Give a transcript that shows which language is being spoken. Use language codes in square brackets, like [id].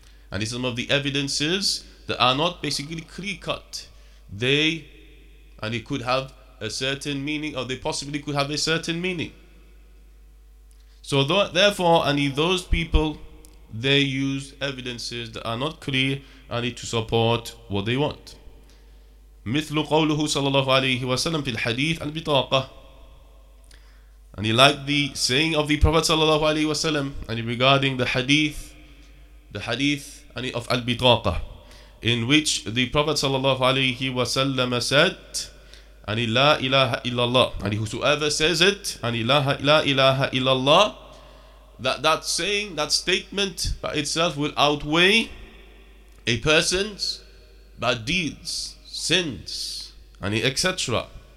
[en] And some of the evidences that are not basically clear-cut, they and it could have a certain meaning, or they possibly could have a certain meaning. So therefore, any those people, they use evidences that are not clear only to support what they want. [ar] مثل قوله صلى الله عليه وسلم في الحديث البطاقة. [en] And he liked the saying of the Prophet sallallahu alaihi wasallam regarding the hadith of al-bitaqa, in which the Prophet sallallahu alaihi wasallam said, "Ani la ilaha illallah." And whosoever says it, "Ani la ilaha illallah," that saying, that statement by itself will outweigh a person's bad deeds, sins, etc.